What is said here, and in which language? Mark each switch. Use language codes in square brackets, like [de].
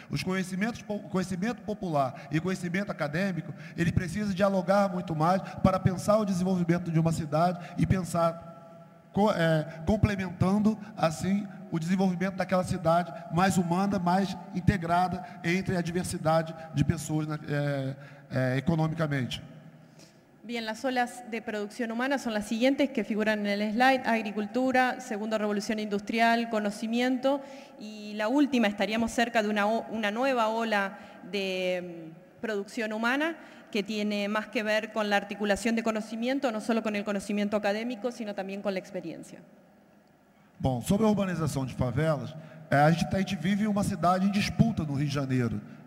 [pt] Os conhecimentos, conhecimento popular e conhecimento acadêmico, ele precisa dialogar muito mais para pensar o desenvolvimento de uma cidade e pensar complementando, assim, o desenvolvimento daquela cidade mais humana, mais integrada entre a diversidade de pessoas economicamente. [es] Bien, las olas de producción humana son las siguientes que figuran en el slide: agricultura, segunda revolución industrial, conocimiento, y la última, estaríamos cerca de una nueva ola de producción humana que tiene más que ver con la articulación de conocimiento, no solo con el conocimiento académico, sino también con la experiencia. [pt] Bom, sobre a urbanização de favelas, a gente vive uma cidade em disputa no Rio de Janeiro.